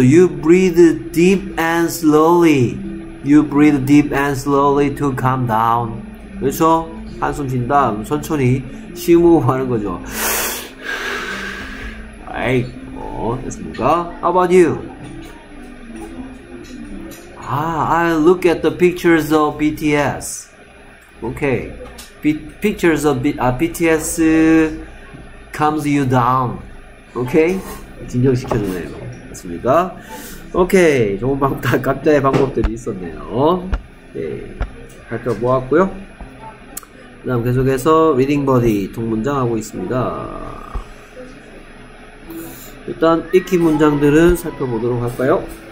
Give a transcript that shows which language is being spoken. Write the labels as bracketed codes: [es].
[en] You breathe deep and slowly. You breathe deep and slowly to calm down. [ko] 그래서 한숨 쉰다. 천천히 심호흡하는 거죠. 아이고, 됐습니까? [en] How about you? I look at the pictures of BTS. Okay. Pictures of BTS calms you down. [ko] Okay? 진정시켜주네요. 맞습니까? Okay. 좋은 방법, 다 각자의 방법들이 있었네요. 네. 발표 모았고요. 그 다음 계속해서 Reading Body 동문장 하고 있습니다. 일단 익히 문장들은 살펴보도록 할까요?